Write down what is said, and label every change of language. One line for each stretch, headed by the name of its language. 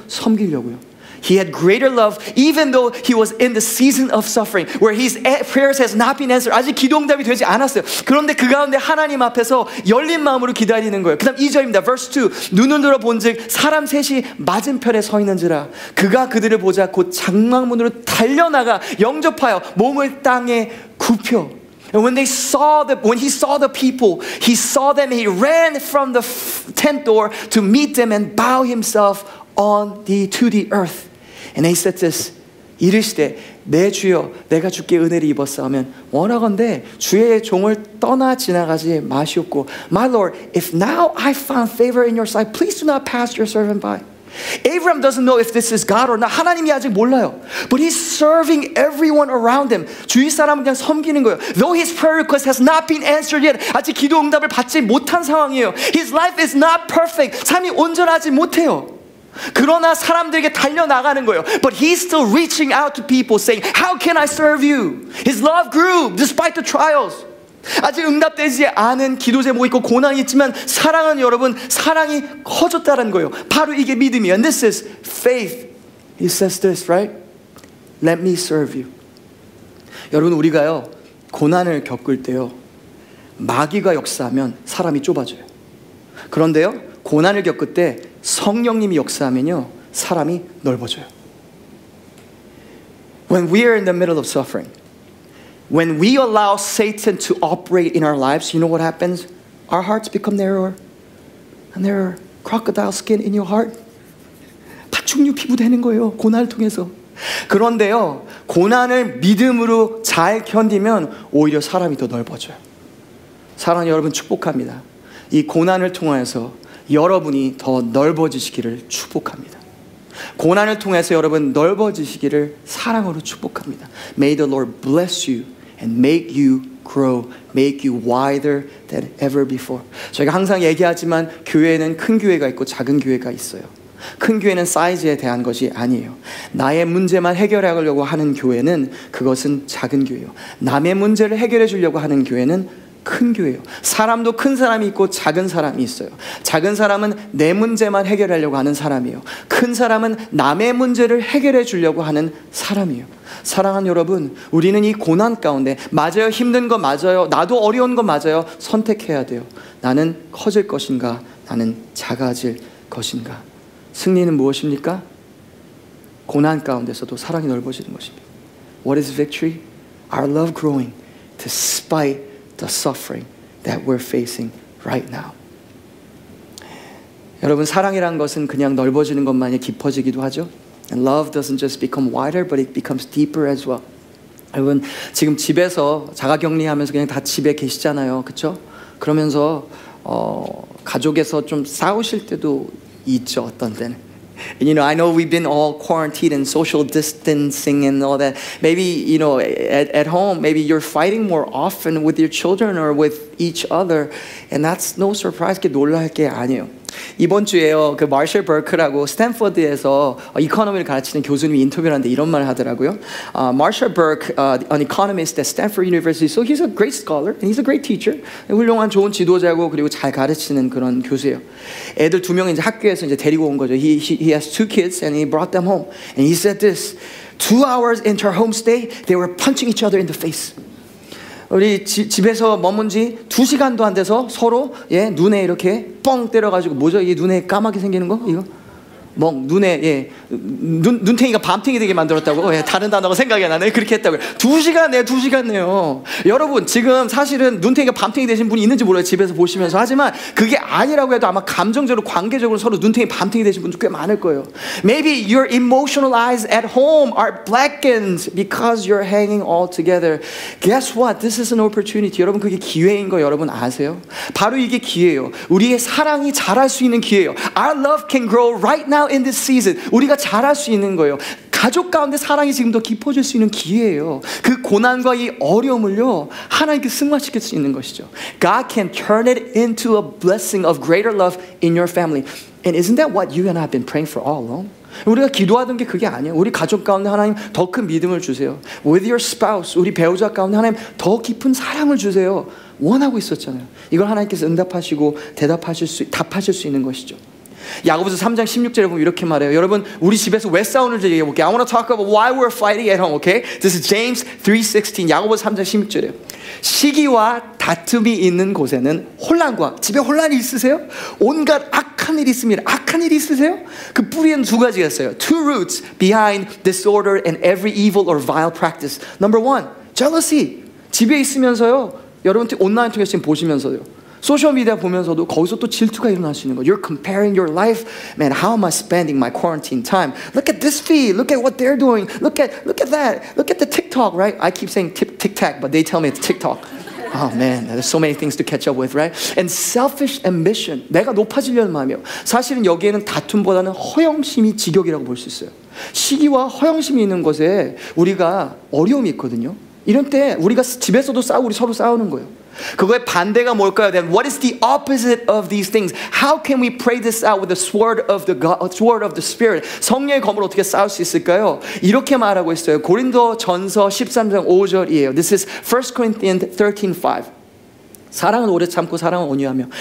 Korean: 섬기려고요.
English: He had greater love even though he was in the season of suffering where his prayers has not been answered.
Korean: 아직 기도 응답이 되지 않았어요. 그런데 그 가운데 하나님 앞에서 열린 마음으로 기다리는 거예요. 그 다음 2절입니다.
English: Verse 2.
Korean: 눈을 들어 본즉 사람 셋이 맞은편에 서 있는지라 그가 그들을 보자 곧 장막문으로 달려나가 영접하여 몸을 땅에 굽혀.
English: And when they saw the when he saw the people, he saw them and he ran from the tent door to meet them and bow himself on the to the earth. And he said this,
Korean: 이르시되 내 주여 내가 주께 은혜를 입었사오면 원하건대 주의 종을 떠나 지나가지 마시옵고
English: My Lord, if now I found favor in your sight, please do not pass your servant by. Abraham doesn't know if this is God or not.
Korean: 하나님이 아직 몰라요.
English: But he's serving everyone around him.
Korean: 주위 사람 그냥 섬기는 거예요.
English: Though his prayer request has not been answered yet.
Korean: 아직 기도 응답을 받지 못한 상황이에요.
English: His life is not perfect.
Korean: 삶이 온전하지 못해요. 그러나 사람들에게 달려 나가는 거예요.
English: But he's still reaching out to people saying, "How can I serve you?" His love grew despite the trials.
Korean: 아직 응답되지 않은 기도 제목 있고 고난이 있지만 사랑은 여러분 사랑이 커졌다는 거예요. 바로 이게 믿음이에요.
English: And this is faith. He says this, right? Let me serve you.
Korean: 여러분 우리가요 고난을 겪을 때요 마귀가 역사하면 사람이 좁아져요. 그런데요 고난을 겪을 때 성령님이 역사하면요 사람이 넓어져요.
English: When we are in the middle of suffering, when we allow Satan to operate in our lives, you know what happens? Our hearts become narrower. And there are crocodile skin in your heart.
Korean: 파충류 피부 되는 거예요, 고난을 통해서. 그런데요, 고난을 믿음으로 잘 견디면 오히려 사람이 더 넓어져요. 사랑하는 여러분 축복합니다. 이 고난을 통해서 여러분이 더 넓어지시기를 축복합니다. 고난을 통해서 여러분 넓어지시기를 사랑으로 축복합니다.
English: May the Lord bless you and make you grow, make you wider than ever before.
Korean: 저희가 항상 얘기하지만 교회는 큰 교회가 있고 작은 교회가 있어요. 큰 교회는 사이즈에 대한 것이 아니에요. 나의 문제만 해결하려고 하는 교회는 그것은 작은 교회예요. 남의 문제를 해결해 주려고 하는 교회는 큰 교회예요. 사람도 큰 사람이 있고 작은 사람이 있어요. 작은 사람은 내 문제만 해결하려고 하는 사람이에요. 큰 사람은 남의 문제를 해결해 주려고 하는 사람이에요. 사랑하는 여러분, 우리는 이 고난 가운데 맞아요. 힘든 거 맞아요. 나도 어려운 거 맞아요. 선택해야 돼요. 나는 커질 것인가? 나는 작아질 것인가? 승리는 무엇입니까? 고난 가운데서도 사랑이 넓어지는 것입니다.
English: What is victory? Our love growing despite the suffering that we're facing right now.
Korean: 여러분, 사랑이란 것은 그냥 넓어지는 것만이 깊어지기도 하죠.
English: And love doesn't just become wider, but it becomes deeper as well.
Korean: 여러분, 지금 집에서 자가격리하면서 그냥 다 집에 계시잖아요. 그쵸? 그러면서 가족에서 좀 싸우실 때도 있죠, 어떤 때는.
English: And you know, I know we've been all quarantined and social distancing and all that. Maybe, you know, at home, maybe you're fighting more often with your children or with each other. And that's no surprise.
Korean: 게 놀랄 게 아니에요. 이번 주에요, 그 Marshall Burke라고 스탠퍼드에서 이코노미를 가르치는 교수님이 인터뷰를 하는데 이런 말을 하더라고요.
English: Marshall Burke, an economist at Stanford University. So he's a great scholar and he's a great teacher.
Korean: 훌륭한 좋은 지도자고 그리고 잘 가르치는 그런 교수예요. 애들 두 명 이제 학교에서 이제 데리고 온 거죠.
English: He has two kids and he brought them home. And he said this, 2 hours into our home stay, they were punching each other in the face.
Korean: 우리 집에서 머문 지 두 시간도 안 돼서 서로 예 눈에 이렇게 뻥 때려가지고 뭐죠? 이게 눈에 까맣게 생기는 거? 이거? 멍, 눈에 예 눈탱이가 밤탱이 되게 만들었다고? 예, 다른 단어가 생각이 안 나네. 그렇게 했다고요. 두 시간 내요. 여러분 지금 사실은 눈탱이가 밤탱이 되신 분이 있는지 몰라요. 집에서 보시면서. 하지만 그게 아니라고 해도 아마 감정적으로 관계적으로 서로 눈탱이 밤탱이 되신 분도 꽤 많을 거예요.
English: Maybe your emotional eyes at home are blackened because you're hanging all together. Guess what? This is an opportunity.
Korean: 여러분 그게 기회인 거 여러분 아세요? 바로 이게 기회예요. 우리의 사랑이 자랄 수 있는 기회예요.
English: Our love can grow right now in this season.
Korean: 우리가 잘할 수 있는 거예요. 가족 가운데 사랑이 지금 더 깊어질 수 있는 기회예요. 그 고난과 이 어려움을요 하나님께 승화시킬 수 있는 것이죠.
English: God can turn it into a blessing of greater love in your family. And isn't that what you and I have been praying for all along?
Korean: 우리가 기도하던 게 그게 아니에요. 우리 가족 가운데 하나님 더 큰 믿음을 주세요.
English: With your spouse,
Korean: 우리 배우자 가운데 하나님 더 깊은 사랑을 주세요. 원하고 있었잖아요. 이걸 하나님께서 응답하시고 답하실 수 있는 것이죠. 야고보서 3장 16절에 보면 이렇게 말해요. 여러분, 우리 집에서 왜 싸우는지 얘기해 볼게요.
English: I want to talk about why we're fighting at home, okay? This is James 3:16.
Korean: 야고보서 3장 16절에요. 시기와 다툼이 있는 곳에는 혼란과 집에 혼란이 있으세요? 온갖 악한 일이 있습니다. 악한 일이 있으세요? 그 뿌리는 두 가지가 있어요.
English: Two roots behind disorder and every evil or vile practice. Number one, jealousy.
Korean: 집에 있으면서요. 여러분 온라인 통해서 지금 보시면서요. 소셜미디어 보면서도 거기서 또 질투가 일어나시는 거예요.
English: You're comparing your life. Man, how am I spending my quarantine time? Look at this feed. Look at what they're doing. Look at that. Look at the TikTok, right? I keep saying tic-tac, but they tell me it's TikTok. Oh, man, there's so many things to catch up with, right? And selfish ambition.
Korean: 내가 높아지려는 마음이요. 사실은 여기에는 다툼보다는 허영심이 직역이라고 볼 수 있어요. 시기와 허영심이 있는 곳에 우리가 어려움이 있거든요. 이런 때 우리가 집에서도 싸우고 우리 서로 싸우는 거예요. 그거의 반대가 뭘까요?
English: Then what is the opposite of these things? How can we pray this out with the sword of the God, sword of the Spirit?
Korean: 성령의 검으로 어떻게 싸울 수 있을까요? 이렇게 말하고 있어요. 고린도전서 13장 5절이에요.
English: This is 1 Corinthians 13:5.
Korean: 사랑은 오래 참고 사랑은 온유하며.